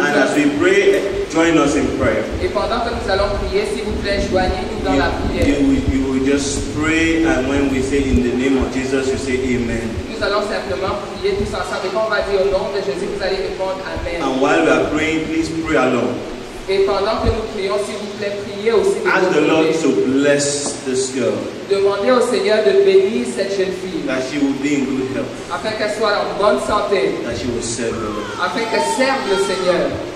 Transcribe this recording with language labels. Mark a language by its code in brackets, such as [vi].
[en] and as we pray, join us in prayer. [fr] Et pendant que nous allons prier, s'il vous plaît, joignez-nous dans [en] you, [fr] la prière. [en] You will just pray, and when we say in the name of Jesus, you say Amen. [fr] Nous allons simplement prier tous ensemble, et quand on va dire au nom de Jésus, vous allez répondre Amen. [en] And while we are praying, please pray alone. [fr] Et pendant que nous prions, s'il vous plaît, priez aussi. [en] Ask the Lord to bless this girl. [fr] Demandez au Seigneur de bénir cette jeune fille. [en] That she will be in good health. [fr] Afin qu'elle soit en bonne santé. [en] That she will serve the Lord. [fr] Afin qu'elle serve le Seigneur.